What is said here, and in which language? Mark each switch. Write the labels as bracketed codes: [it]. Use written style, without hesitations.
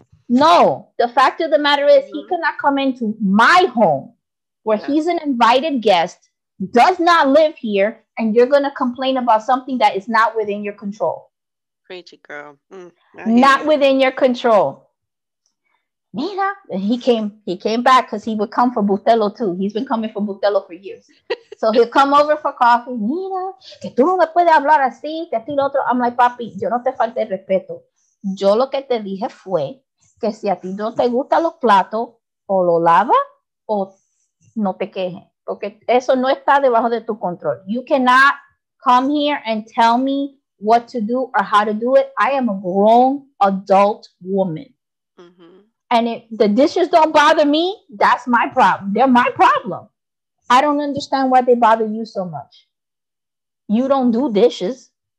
[en] No, the fact of the matter is he cannot come into my home where he's an invited guest, does not live here, and you're going to complain about something that is not within your control. Preach it, girl. Not within your control. Mira, he came back because he would come for Butelo too. He's been coming for Butelo for years. So he'll come over for coffee. [es] Mira, que tú no me puedes hablar así, que tú lo otro. [en] I'm like, [es] papi, yo no te falté respeto. Yo lo que te dije fue, que si a ti no te gusta los platos, o lo lava, o no te quejes. Porque eso no está debajo de tu control. [en] You cannot come here and tell me what to do or how to do it. I am a grown adult woman. Mm-hmm. And if the dishes don't bother me, that's my problem. They're my problem. I don't understand why they bother you so much. You don't do dishes.